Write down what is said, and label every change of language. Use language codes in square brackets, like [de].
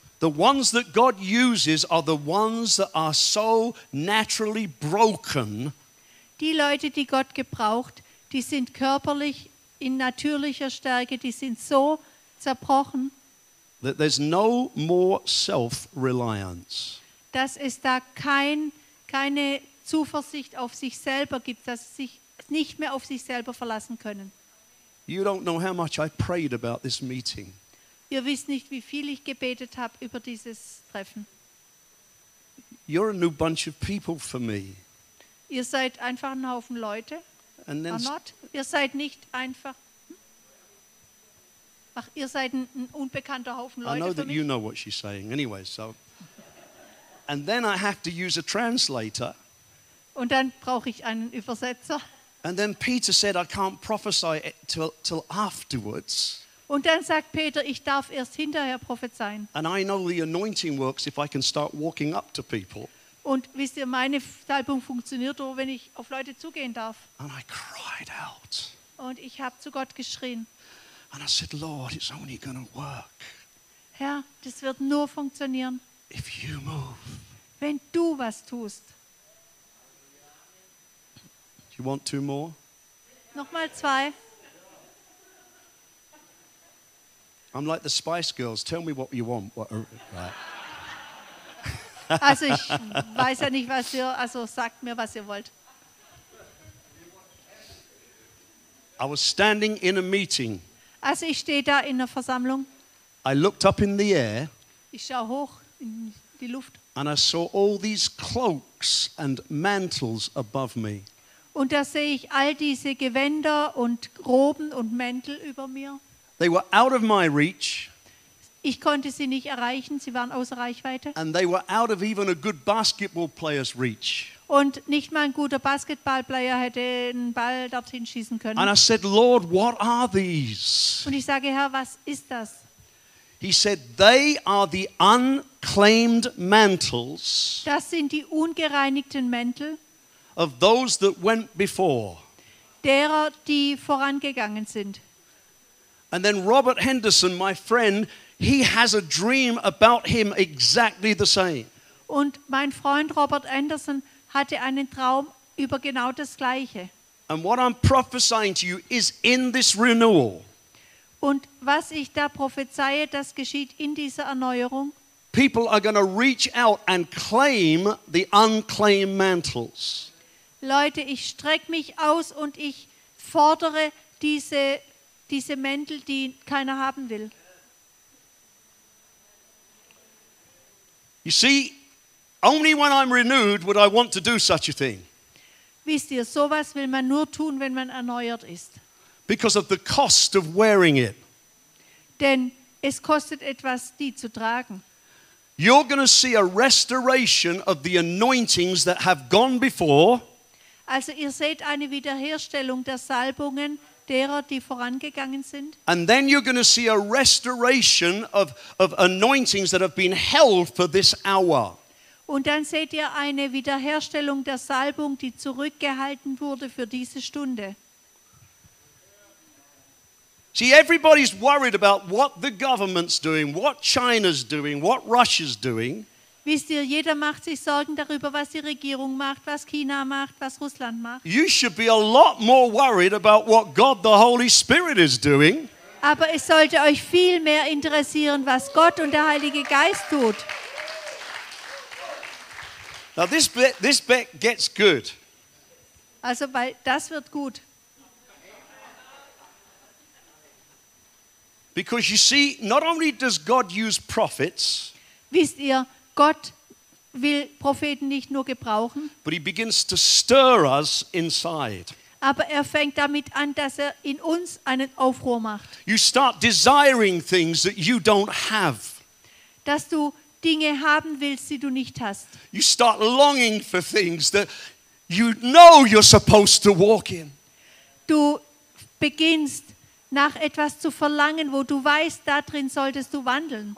[en] The ones that God uses are the ones that are so naturally broken. [de] Die Leute, die Gott gebraucht, die sind körperlich in natürlicher Stärke, die sind so zerbrochen. [en] That there's no more self-reliance. [de] Dass es da keine Zuversicht auf sich selber gibt, dass sie sich nicht mehr auf sich selber verlassen können. [en] You don't know how much I prayed about this meeting. [de] Ihr wisst nicht, wie viel ich gebetet habe über dieses Treffen. [en] You're a new bunch of people for me. [de] Ihr seid einfach ein Haufen Leute. Ihr seid nicht einfach. Ach, ihr seid ein unbekannter Haufen Leute. [en] I know [de] für [en] that [de] mich. [en] You know what she's saying anyway, so. And then I have to use a translator. [de] Und dann brauche ich einen Übersetzer. [en] And then Peter said, I can't prophesy till afterwards. [de] Und dann sagt Peter, ich darf erst hinterher prophezeien. [en] And I know the anointing works if I can start walking up to people. [de] Und wisst ihr, meine Salbung funktioniert nur, wenn ich auf Leute zugehen darf. [en] And I cried out. [de] Und ich habe zu Gott geschrien. [en] And I said, Lord, it's only gonna work. [de] Herr, das wird nur funktionieren. [en] If you move. [de] Wenn du was tust. [en] Do you want two more? [de] Nochmal zwei. [en] I'm like the Spice Girls. Tell me what you want. Right. [de] Also ich weiß ja nicht, was ihr, also sagt mir, was ihr wollt. [en] I was standing in a meeting. [de] Also ich stehe da in der Versammlung. [en] I looked up in the air. [de] Ich schaue hoch in die Luft. [en] And I saw all these cloaks and mantles above me. [de] Und da sehe ich all diese Gewänder und Roben und Mäntel über mir. [en] They were out of my reach. [de] Ich konnte sie nicht erreichen, sie waren außer Reichweite. [en] And they were out of even a good basketball player's reach. [de] Und nicht mal ein guter Basketballplayer hätte einen Ball dorthin schießen können. [en] And I said, Lord, what are these? [de] Und ich sage, Herr, was ist das? [en] He said, they are the unclaimed mantles. [de] Das sind die ungereinigten Mäntel. [en] Of those that went before. [de] Derer, die vorangegangen sind. [en] And then Robert Henderson, my friend, he has a dream about him exactly the same. [de] Und mein Freund Robert Anderson hatte einen Traum über genau das Gleiche. [en] And what I'm prophesying to you is in this renewal. [de] Und was ich da prophezeie, das geschieht in dieser Erneuerung. [en] People are going to reach out and claim the unclaimed mantles. [de] Leute, ich streck mich aus und ich fordere diese Mäntel, die keiner haben will. [en] You see, only when I'm renewed would I want to do such a thing. [de] Wisst ihr, sowas will man nur tun, wenn man erneuert ist. [en] Because of the cost of wearing it. [de] Denn es kostet etwas, die zu tragen. [en] You're going to see a restoration of the anointings that have gone before. [de] Also ihr seht eine Wiederherstellung der Salbungen derer, die vorangegangen sind. [en] And then you're going to see a restoration of anointings that have been held for this hour. [de] Und dann seht ihr eine Wiederherstellung der Salbung, die zurückgehalten wurde für diese Stunde. [en] See, everybody's worried about what the government's doing, what China's doing, what Russia's doing. [de] Wisst ihr, jeder macht sich Sorgen darüber, was die Regierung macht, was China macht, was Russland macht. [en] You should be a lot more worried about what God the Holy Spirit is doing. [de] Aber es sollte euch viel mehr interessieren, was Gott und der Heilige Geist tut. [en] Now this bit gets good. [de] Also, weil das wird gut. [en] Because you see, not only does God use prophets, [de] wisst ihr, Gott will Propheten nicht nur gebrauchen, [en] but he begins to stir us inside. [de] Aber er fängt damit an, dass er in uns einen Aufruhr macht. [en] You start desiring things that you don't have. [de] Dass du Dinge haben willst, die du nicht hast. [en] You start longing for things that you know you're supposed to walk in. [de] Du beginnst nach etwas zu verlangen, wo du weißt, da drin solltest du wandeln.